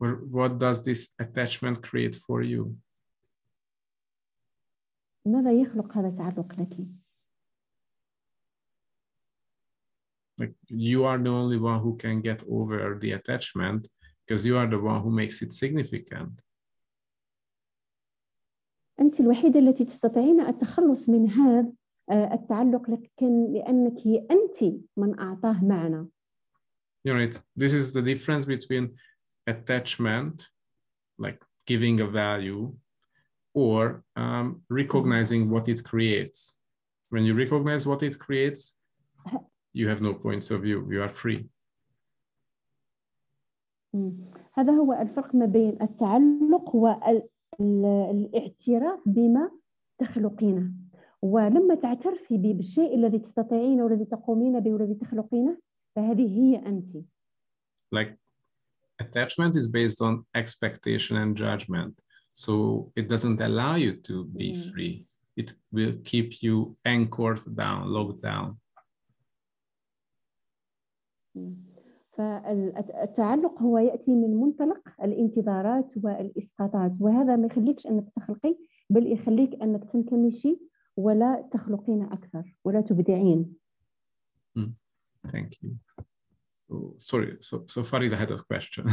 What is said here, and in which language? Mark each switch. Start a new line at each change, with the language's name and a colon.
English: What does this attachment create for you?
Arabic: ماذا يخلق هذا التعلق لك؟
English: Like, you are the only one who can get over the attachment. Because you are the one who makes it significant.
Arabic: أنت الوحيدة التي تستطيعين التخلص من هذا التعلق لكن لأنك أنت من أعطاه معنى.
English: You know, this is the difference between attachment, like giving a value, or recognizing what it creates. When you recognize what it creates, you have no points of view. You are free.
Arabic: هذا هو الفرق ما بين التعلق والاعتراف بما تخلقينه. ولما تعترفي بالشيء الذي تستطيعينه والذي تقومين به والذي تخلقينه فهذه هي أنت.
English: Like attachment is based on expectation and judgment, so it doesn't allow you to be free. It will keep you anchored down, locked down.
Arabic: فالتعلق هو يأتي من منطلق الانتظارات والإسقاطات، وهذا ما يخليكش أنك تخلقي، بل يخليك أنك تنكمشي ولا تخلقين أكثر ولا تبدعين.
English: Thank you. So Farida had a question.